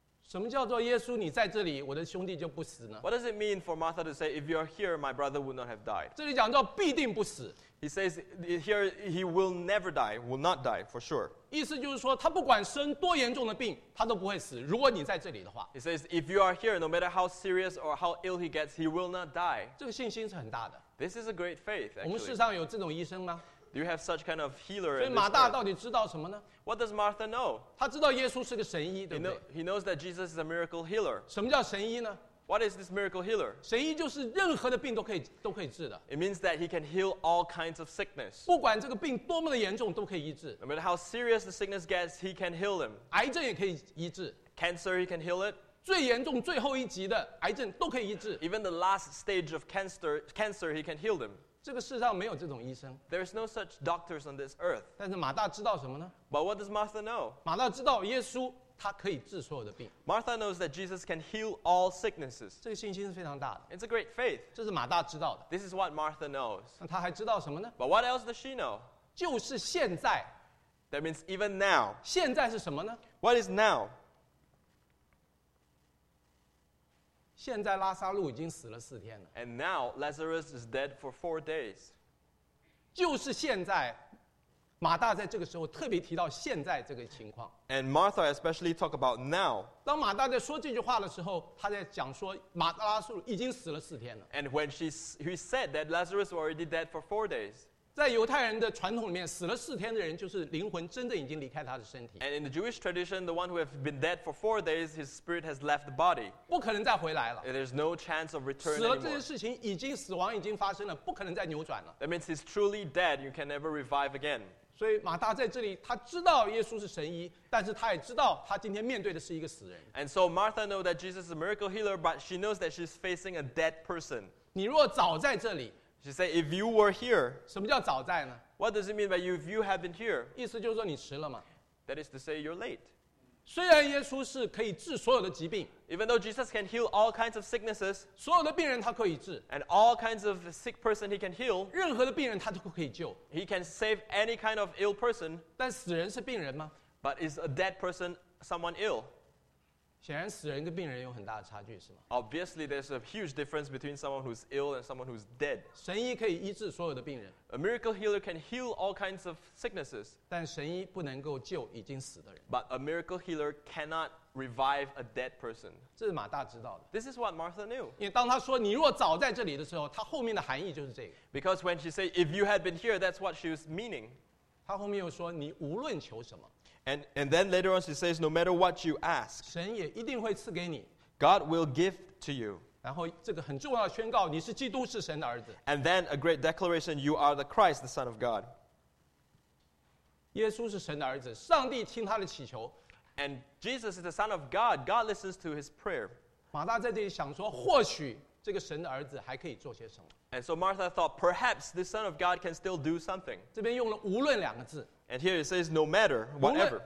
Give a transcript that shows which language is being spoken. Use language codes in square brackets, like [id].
[zh] 什么叫做耶稣你在这里我的兄弟就不死呢 [en] What does it mean for Martha to say if you are here my brother would not have died [zh] 这里讲到必定不死 [en] He says here he will never die will not die for sure [zh] 意思就是说他不管生多严重的病他都不会死如果你在这里的话 [en] He says if you are here no matter how serious or how ill he gets he will not die [zh] 这个信心是很大的 [en] This is a great faith actually [zh] 我们世上有这种医生吗 [en] Do you have such kind of healer? [zh] 所以马大到底知道什么呢 [en] ？What does Martha know? [zh] 他知道耶稣是个神医，对不对 [en] ？He knows that Jesus is a miracle healer. [zh] 什么叫神医呢 [en] ？What is this miracle healer? [zh] 神医就是任何的病都可以治的。 [en] It means that he can heal all kinds of sickness. [zh] 不管这个病多么的严重，都可以医治。 [en] No matter how serious the sickness gets, he can heal them. [zh] 癌症也可以医治。 [en] Cancer, he can heal it. [zh] 最严重最后一级的癌症都可以医治。 [en] Even the last stage of cancer, he can heal them. [zh] 这个世上没有这种医生。 [en] There is no such doctors on this earth. [zh] 但是马大知道什么呢 [en] ？But what does Martha know? [zh] 马大知道耶稣他可以治所有的病。 [en] Martha knows that Jesus can heal all sicknesses. [zh] 这个信心是非常大的。 [en] It's a great faith. [zh] 这是马大知道的。 [en] This is what Martha knows. [zh] 那他还知道什么呢 [en] ？But what else does she know? [zh] 就是现在。 [en] That means even now. [zh] 现在是什么呢 [en] ？What is now? [zh] 现在拉撒路已经死了四天了。 [en] And now Lazarus is dead for 4 days. [zh] 就是现在，马大在这个时候特别提到现在这个情况。 [en] And Martha especially talk about now. [zh] 当马大在说这句话的时候，他在讲说马大拉撒路已经死了四天了。 [en] And when he said that Lazarus was already dead for 4 days. [zh] 在犹太人的传统里面，死了四天的人就是灵魂真的已经离开他的身体。 [en] And in the Jewish tradition, the one who has been dead for 4 days, his spirit has left the body. [zh] 不可能再回来了。 [en] There's no chance of return. [zh] 死了这件事情已经死亡已经发生了，不可能再扭转了。 [en] That means he's truly dead. You can never revive again. [zh] 所以马大在这里，他知道耶稣是神医，但是他也知道他今天面对的是一个死人。 [en] And so Martha knows that Jesus is a miracle healer, but she knows that she's facing a dead person. [zh] 你若早在这里。 [en] She said, if you were here, [zh] 什么叫早在呢 [en] what does it mean by you if you have been here? [zh] 意思就是说你迟了嘛 [en] That is to say, you're late. [zh] 虽然耶稣是可以治所有的疾病 [en] even though Jesus can heal all kinds of sicknesses, [zh] 所有的病人他可以治 [en] and all kinds of sick person he can heal, [zh] 任何的病人他都可以救 [en] he can save any kind of ill person, [zh] 但死人是病人吗 [en] but is a dead person someone ill? [zh] 显然死人跟病人有很大的差距是吗 [en] Obviously there's a huge difference between someone who's ill and someone who's dead [zh] 神医可以医治所有的病人 [en] A miracle healer can heal all kinds of sicknesses [zh] 但神医不能够救已经死的人 [en] But a miracle healer cannot revive a dead person [zh] 这是马大知道的 [en] This is what Martha knew [zh] 因为当他说你若早在这里的时候他后面的含义就是这个 [en] Because when she said if you had been here that's what she was meaning [zh] 他后面又说你无论求什么 [en] And then later on she says, no matter what you ask, [zh] 神也一定会赐给你 [en] God will give to you. [zh] 然后这个很重要的宣告，你是基督，是神的儿子。 [en] And then a great declaration, you are the Christ, the Son of God. [zh] 耶稣是神的儿子，上帝听他的祈求。 [en] And Jesus is the Son of God, God listens to his prayer. [zh] 马大在这里想说，或许这个神的儿子还可以做些什么。 [en] And so Martha thought, perhaps the Son of God can still do something. [zh] 这边用了无论两个字。 [en] And here it says, no matter, whatever.